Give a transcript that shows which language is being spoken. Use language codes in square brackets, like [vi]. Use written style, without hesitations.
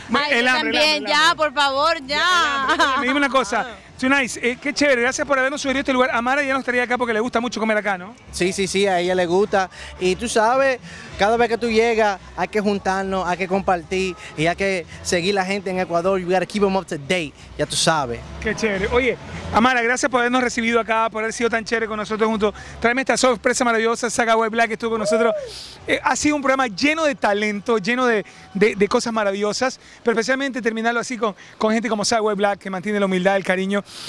[es] El hambre. Ya, por favor, ya. Me dime una cosa. Tonight, qué chévere, gracias por habernos sugerido este lugar. Amara ya no estaría acá porque le gusta mucho comer acá, ¿no? Sí, sí, sí, a ella le gusta. Y tú sabes, cada vez que tú llegas, hay que juntarnos, hay que compartir y hay que seguir la gente en Ecuador. [en] You gotta keep them up to date, [es] ya tú sabes. Qué chévere. Oye, Amara, gracias por habernos recibido acá, por haber sido tan chévere con nosotros juntos. Tráeme esta sorpresa maravillosa, Saga White Black, que estuvo con nosotros. Ha sido un programa lleno de talento, lleno de cosas maravillosas, pero especialmente terminarlo así con gente como Saga White Black, que mantiene la humildad, el cariño.